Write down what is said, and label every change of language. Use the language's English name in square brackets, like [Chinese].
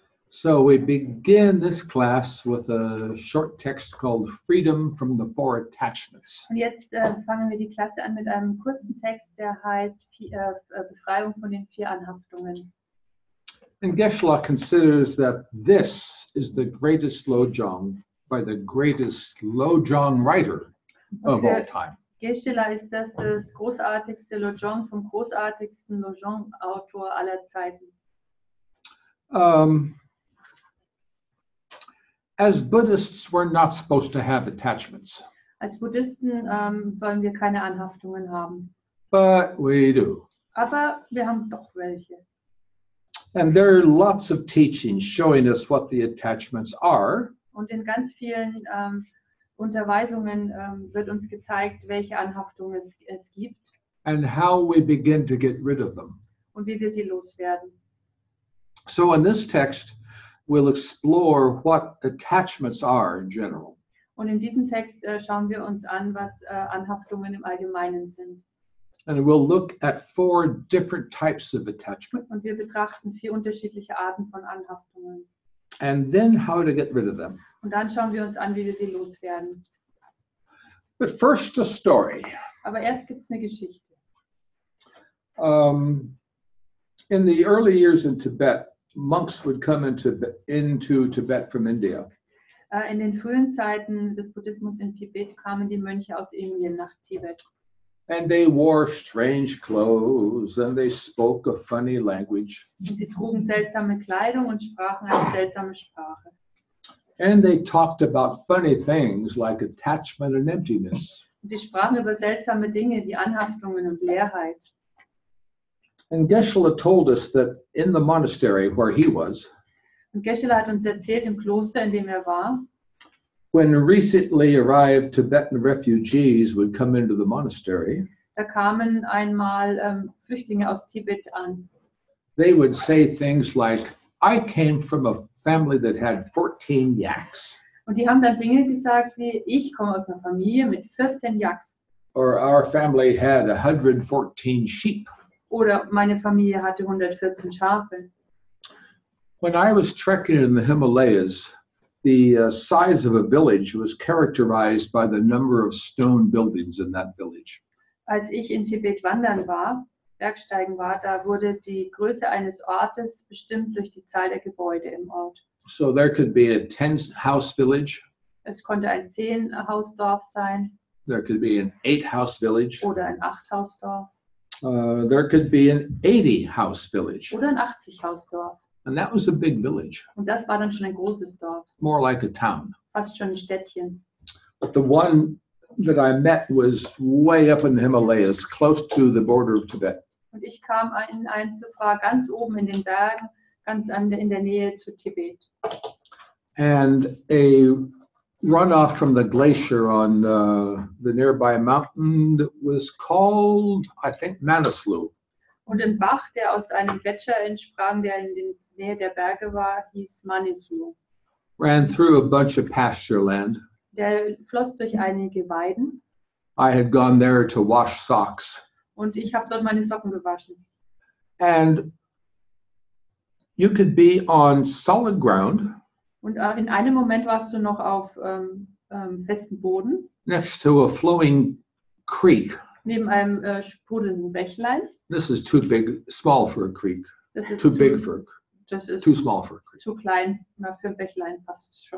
[English] So we begin this class with a short text called Freedom from the Four Attachments. [German] Und jetzt fangen wir die Klasse an mit einem kurzen Text, der heißt Befreiung von den vier Anhaftungen. [English] And Geshe-la considers that this is the greatest Lojong by the greatest Lojong writer of all time. [German] Geshe-la ist das das großartigste Lojong vom großartigsten Lojong Autor aller Zeiten. [English] As Buddhists, we're not supposed to have attachments. [German] Als Buddhisten sollen wir keine Anhaftungen haben. [English] But we do. [German] Aber wir haben doch welche. [English] And there are lots of teachings showing us what the attachments are. [German] Und in ganz vielen Unterweisungen wird uns gezeigt, welche Anhaftungen es gibt. [English] And how we begin to get rid of them. [German] Und wie wir sie loswerden. [English] So in this text, we'll explore what attachments are in general. [German] Und in diesem Text schauen wir uns an, was Anhaftungen im Allgemeinen sind. [English] And we'll look at four different types of attachment. [German] Und wir betrachten vier unterschiedliche Arten von Anhaftungen. [English] And then how to get rid of them. [German] Und dann schauen wir uns an, wie wir sie loswerden. [English] But first a story. [German] Aber erst gibt's eine Geschichte. [English] In the early years in Tibet, monks would come into Tibet from India. [German] In den frühen Zeiten des Buddhismus in Tibet kamen die Mönche aus Indien nach Tibet. [English] And they wore strange clothes and they spoke a funny language. [German] Und sie trugen seltsame Kleidung und sprachen eine seltsame Sprache. [English] And they talked about funny things like attachment and emptiness. [German] Und sie sprachen über seltsame Dinge wie Anhaftungen und Leerheit. [English] And Geshe-la told us that in the monastery where he was, [German] und Geshe-la hat uns erzählt, im Kloster, in dem er war, [English] when recently arrived Tibetan refugees would come into the monastery, [German] da kamen einmal Flüchtlinge aus Tibet an. [English] They would say things like, I came from a family that had 14 yaks. [German] Und die haben dann Dinge gesagt wie, ich komme aus einer Familie mit 14 Yaks. [English] Or our family had 114 sheep. [German] Oder meine Familie hatte 114 Schafe. [English] When I was trekking in the Himalayas, the size of a village was characterized by the number of stone buildings in that village. [German] Als ich in Tibet wandern war, bergsteigen war, da wurde die Größe eines Ortes bestimmt durch die Zahl der Gebäude im Ort. [English] So there could be a 10 house village. [German] Es konnte ein 10 Hausdorf sein. [English] There could be an 8 house village. [German] Oder ein 8 Hausdorf. [English] there could be an 80 house village. [German] Oder ein 80 Hausdorf. [English] And that was a big village. [German] Und das war dann schon ein großes Dorf. [English] More like a town. [German] Fast schon ein Städtchen. [English] But the one that I met was way up in the Himalayas, close to the border of Tibet. [German] Und ich kam in eins, das war ganz oben in den Bergen, ganz in der Nähe zu Tibet. [English] And a runoff from the glacier on the nearby mountain that was called, I think, Manaslu. [German] Und ein Bach, der aus einem Gletscher entsprang, der in der Nähe der Berge war, hieß Manaslu. [English] Ran through a bunch of pasture land. [German] Der floss durch einige Weiden. [English] I had gone there to wash socks. [German] Und ich habe dort meine Socken gewaschen. [English] And you could be on solid ground. [German] Und in einem Moment warst du noch auf festem Boden. [English] Next to a flowing creek. [German] Neben einem sprudelnden Bächlein. [English] This is too big, small for a creek. This is too big for a creek. [German] Das ist [English] too small for a creek. [German] Zu klein für ein Bächlein passt es schon.